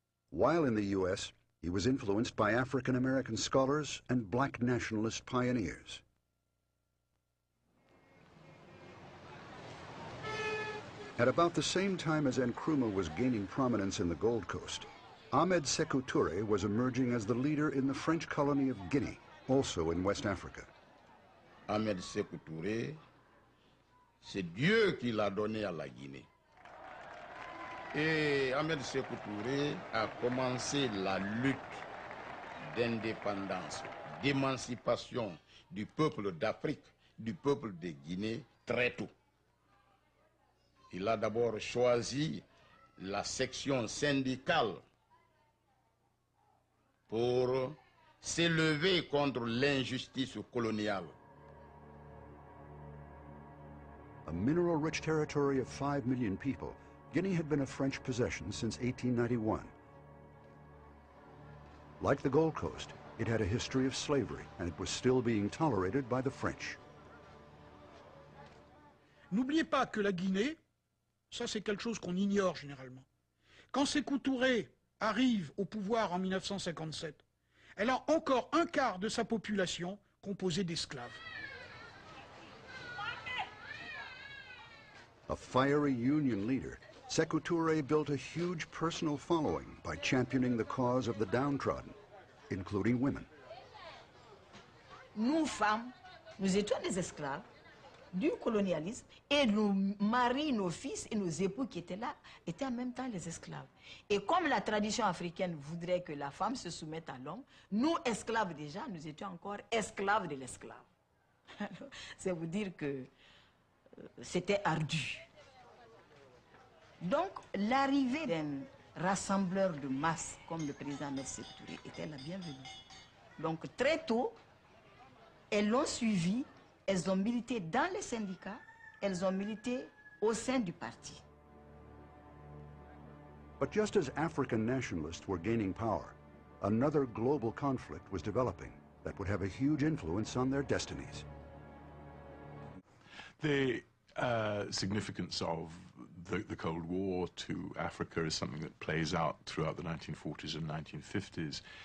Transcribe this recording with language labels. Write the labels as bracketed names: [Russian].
[English] While in the U.S., he was influenced by African-American scholars and black nationalist pioneers. At about the same time as Nkrumah was gaining prominence in the Gold Coast, Ahmed Sékou Touré was emerging as the leader in the French colony of Guinea, also in West Africa. [French] Ahmed Sékou Touré, c'est Dieu qui l'a donné à la Guinée. Et Ahmed Sékou Touré a commencé la lutte d'indépendance, d'émancipation du peuple d'Afrique, du peuple de Guinée très tôt. Il a d'abord choisi la section syndicale pour s'élever contre l'injustice coloniale. [English] A mineral-rich territory of 5 million people, Guinea had been a French possession since 1891. Like the Gold Coast, it had a history of slavery, and it was still being tolerated by the French. [French] N'oubliez pas que la Guinée, ça c'est quelque chose qu'on ignore généralement. Quand Sékou Touré arrive au pouvoir en 1957, elle a encore un quart de sa population composée d'esclaves. [English] A fiery union leader, Sékou Touré built a huge personal following by championing the cause of the downtrodden, including women. [French] Nous femmes, nous étions des esclaves du colonialisme, et nos maris, nos fils et nos époux qui étaient là étaient en même temps les esclaves. Et comme la tradition africaine voudrait que la femme se soumette à l'homme, nous, esclaves déjà, nous étions encore esclaves de l'esclave. C'est vous dire que c'était ardu. Donc, l'arrivée d'un rassembleur de masse comme le président Sékou Touré était la bienvenue. Donc, très tôt, elles l'ont suivi. Elles ont milité dans les syndicats, elles ont milité au sein du parti. [English] But just as African nationalists were gaining power, another global conflict was developing that would have a huge influence on their destinies. The significance of the Cold War to Africa is something that plays out throughout the 1940s and 1950s.